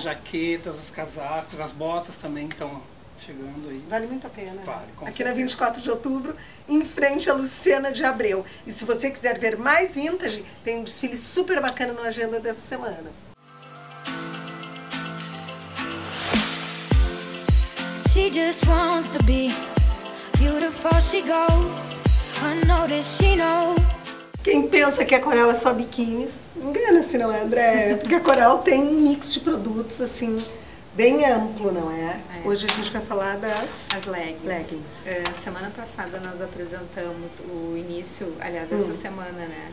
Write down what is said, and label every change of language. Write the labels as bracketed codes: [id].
[pt] Jaquetas, os casacos, as botas também que estão chegando aí. Vale muito a pena. Vale, com aqui certeza. Na 24 de outubro, em frente à Luciana de Abreu. E se você quiser ver mais Vintage, tem um desfile super bacana na agenda dessa semana. [en] She just wants to be beautiful, she goes unnoticed, she knows. [pt] Quem pensa que a Coral é só biquínis, engana-se, não é, André? Porque a Coral tem um mix de produtos, assim, bem amplo, não é? Hoje a gente vai falar das... As leggings. Semana passada nós apresentamos o início, aliás, essa semana, né?